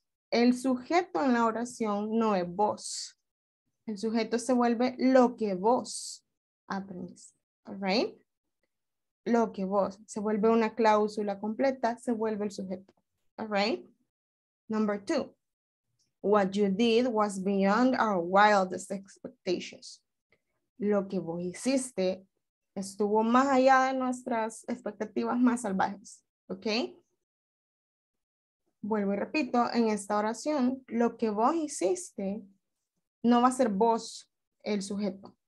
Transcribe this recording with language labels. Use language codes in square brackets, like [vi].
[es] El sujeto en la oración no es vos. El sujeto se vuelve lo que vos aprendiste. [en] All right? [es] Lo que vos. Se vuelve una cláusula completa, se vuelve el sujeto. [en] All right? Number two. What you did was beyond our wildest expectations. [es] Lo que vos hiciste estuvo más allá de nuestras expectativas más salvajes. Okay? Vuelvo y repito, en esta oración, lo que vos hiciste no va a ser vos el sujeto.